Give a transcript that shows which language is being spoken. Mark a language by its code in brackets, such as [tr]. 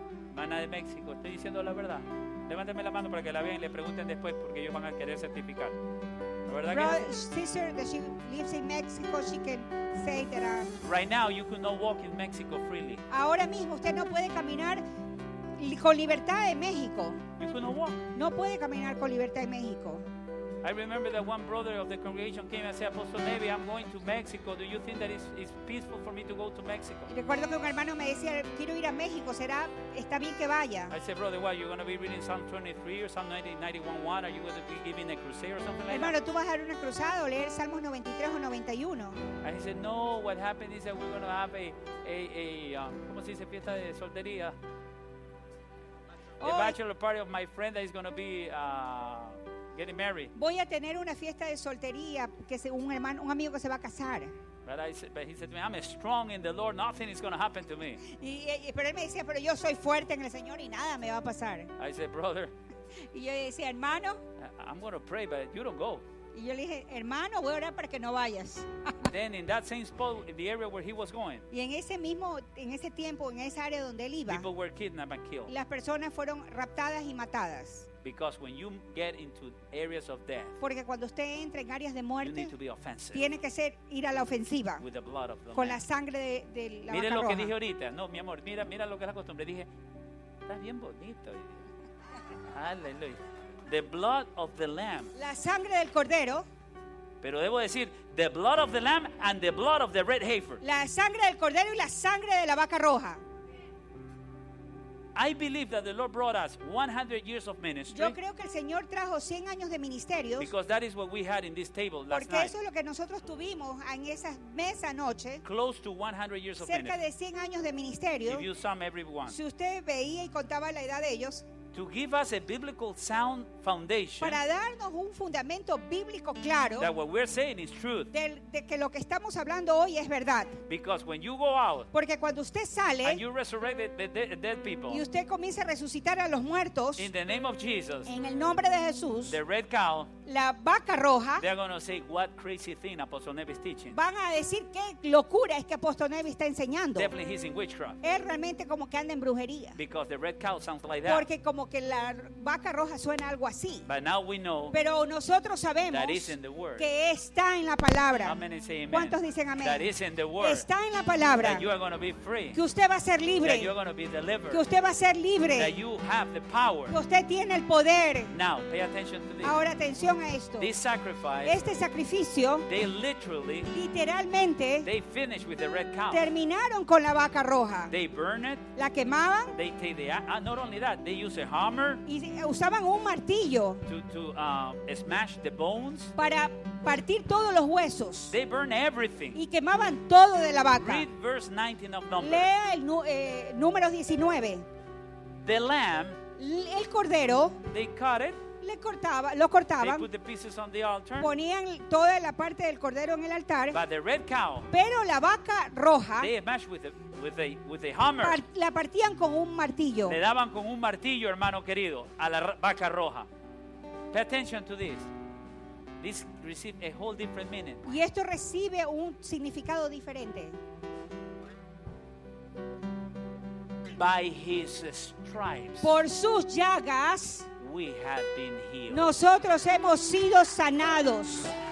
[es] Hermana de México, estoy diciendo la verdad. Levánteme la mano para que la vean y le pregunten después porque ellos van a querer certificar. ¿Verdad que [en] sister, that she lives in Mexico, she can say that I'm... Right now, you could not walk in Mexico freely. [es] Ahora mismo, usted no puede caminar con libertad en México. [en] You could not walk. [es] No puede caminar con libertad en México. [en] I remember that one brother of the congregation came and said, Apostle Nevi, I'm going to Mexico. Do you think that it's peaceful for me to go to Mexico? [es] Recuerdo que un hermano me decía, quiero ir a México. ¿Será? Está bien que vaya. [en] I said, brother, what? You're going to be reading Psalm 23 or Psalm 91? What? Are you going to be giving a crusade or something like [es] hermano, [en] that? [es] Hermano, ¿tú vas a dar una cruzada o leer Salmos 93 o 91? [en] And he said, no, what happened is that we're going to have [es] ¿cómo se dice? Fiesta de soltería. [en] Oh, a bachelor party of my friend that is going to be... getting married. [es] Voy a tener una fiesta de soltería que es un hermano, un amigo que se va a casar. [en] But, but he said to me, I'm strong in the Lord. Nothing is going to happen to me. [es] Y pero él me decía, pero yo soy fuerte en el Señor y nada me va a pasar. [en] I said, brother. [es] Y yo decía, hermano. [en] I'm going to pray, but you don't go. [es] Y yo le dije, hermano, voy a orar para que no vayas. [en] Then in that same spot, in the area where he was going. [es] Y en ese mismo, en ese tiempo, en esa área donde él iba. [en] People were kidnapped and killed. [es] Las personas fueron raptadas y matadas. [en] Because when you get into areas of death, [es] porque cuando usted entra en áreas de muerte, [en] you need to be offensive. [es] Tiene que ser ir a la ofensiva. [en] With the blood of the [es] con La sangre de la vaca roja. Mire lo que dije ahorita. No, mi amor, mira, mira lo que es la costumbre. Dije, estás bien bonito. Aleluya. [en] The blood of the lamb. [es] La sangre del cordero. Pero debo decir, [en] the blood of the lamb and the blood of the red heifer. [es] La sangre del cordero y la sangre de la vaca roja. [en] I believe that the Lord brought us 100 years of ministry. [es] Yo creo que el Señor trajo 100 años de ministerio. [en] Because that is what we had in this table last [es] porque [en] night. [es] Porque eso es lo que nosotros tuvimos en esa mesa anoche. [en] Close to 100 years [es] cerca [en] of ministry. [es] Cerca de 100 años de ministerio. [en] If you sum everyone. [es] Si usted veía y contaba la edad de ellos. [en] To give us a biblical sound foundation. [es] Para darnos un fundamento bíblico claro. [en] That what we're saying is truth. [es] De que lo que estamos hablando hoy es verdad. [en] Because when you go out. [es] Porque cuando usted sale. [en] And you resurrect the dead people. [es] Y usted comienza a resucitar a los muertos. [en] In the name of Jesus. [es] En el nombre de Jesús. [en] The red cow. [es] La vaca roja. [en] They're going to say what crazy thing Apostle Nevi is teaching. [es] Van a decir qué locura es que Apostle Nevi está enseñando. [en] Definitely he's in witchcraft. [es] Es realmente como que anda en brujería. [en] Because the red cow sounds like that. [es] Porque como que la vaca roja suena algo así. [en] But now we know. [es] Pero nosotros sabemos. [en] That is in the word. [es] Que está en la palabra. [en] How many say amen? [es] ¿Cuántos dicen amén? [en] That is in the word. [es] Está en la palabra. [en] That you are going to be free. [es] Que usted va a ser libre. [en] That you are going to be delivered. [es] Que usted va a ser libre. [en] That you have the power. [es] Que usted tiene el poder. [en] Now pay attention to this. [es] Ahora atención a esto. [en] This sacrifice, [es] este sacrificio, [en] they literally, [es] literalmente, [en] they finished with the red cow. [es] Terminaron con la vaca roja. [en] They burn it, [es] la quemaban. [en] They take the, not only that, they use a hammer. [es] Y usaban un martillo [en] to smash the bones. [es] Para partir todos los huesos. [en] They burn everything. [es] Y quemaban todo de la vaca. [en] Read verse 19 of Numbers. [es] Lea el número 19. [en] The lamb, [es] el cordero, [en] they cut it. [es] Le cortaba, lo cortaban. [en] They put the pieces on the altar. [es] Ponían toda la parte del cordero en el altar. [en] But the red cow, [es] pero la vaca roja, [en] they smashed with a hammer. [es] La partían con un martillo. Le daban con un martillo, hermano querido, a la vaca roja. [en] Pay attention to this. This received a whole different meaning. [es] Y esto recibe un significado diferente. [en] By his stripes. [es] Por sus llagas. [en] We have been healed. [es] Nosotros hemos sido sanados.